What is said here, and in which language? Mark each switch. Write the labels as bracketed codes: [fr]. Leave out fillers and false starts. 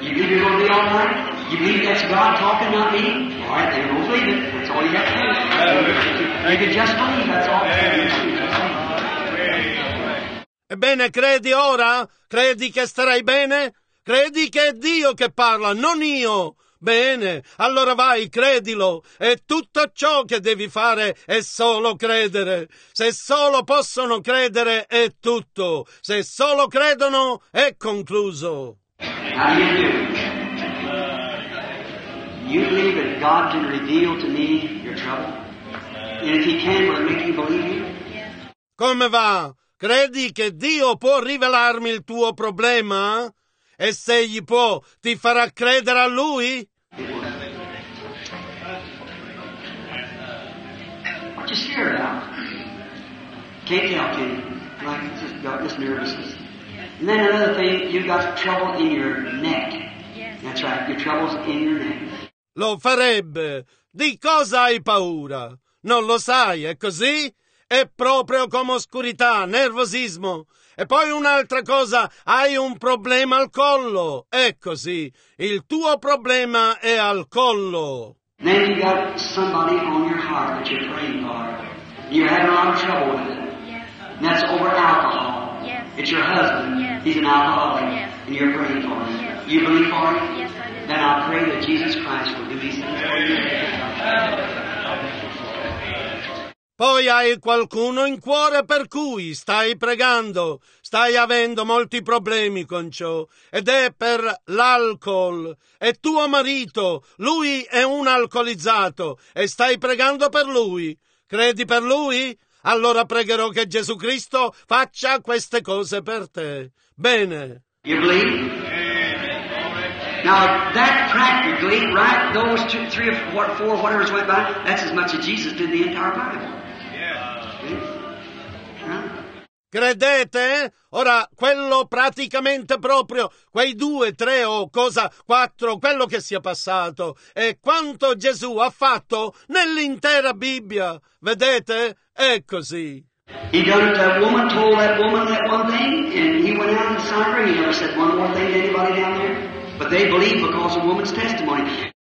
[en] You believe you're going to be all right? You believe that's God talking, not me? All right, then don't believe it. That's all you have to do. You can just believe, that's all. [it] Ebbene, credi ora? Credi che starai bene? Credi che è Dio che parla, non io? Bene, allora vai, credilo. E tutto ciò che devi fare è solo credere. Se solo possono credere, è tutto. Se solo credono, è concluso. [en] How do? You believe that God can reveal to me your trouble? And if he can, will it make you believe him? [it] Come va? Credi che Dio può rivelarmi il tuo problema? E se gli può, ti farà credere a lui? [en] What you scared about? Can't tell, can you? Like, it's just got this nervousness. And then another thing, you've got trouble in your neck. That's right, your trouble's in your neck. [it] Lo farebbe. Di cosa hai paura? Non lo sai, è così? È proprio come oscurità, nervosismo. E poi un'altra cosa, hai un problema al collo. È così. Il tuo problema è al collo. [en] Then you got somebody on your heart that you're praying for. You're having a lot of trouble with it. Yes. That's over alcohol. Yes. It's your husband. Yes. He's an alcoholic. Yes. And you're praying for him. Yes. You believe for him? Yes, I do. Then I pray that Jesus Christ will do these things for you. [it] Poi hai qualcuno in cuore per cui stai pregando, stai avendo molti problemi con ciò, ed è per l'alcol. È tuo marito, lui è un alcolizzato, e stai pregando per lui. Credi per lui? Allora pregherò che Gesù Cristo faccia queste cose per te. Bene. [en] You believe? Now, that practically, right, those two, three or four, whatever's went by, that's as much as Jesus did in the entire Bible. Yeah. [it] Credete? Ora, quello praticamente proprio, quei due, tre o cosa, quattro, quello che sia passato, e quanto Gesù ha fatto nell'intera Bibbia, vedete? È così. [en] He done it, that woman told that woman that one thing, and he went out in the sight of her, he never said one more thing to anybody down there, but they believe because of woman's testimony.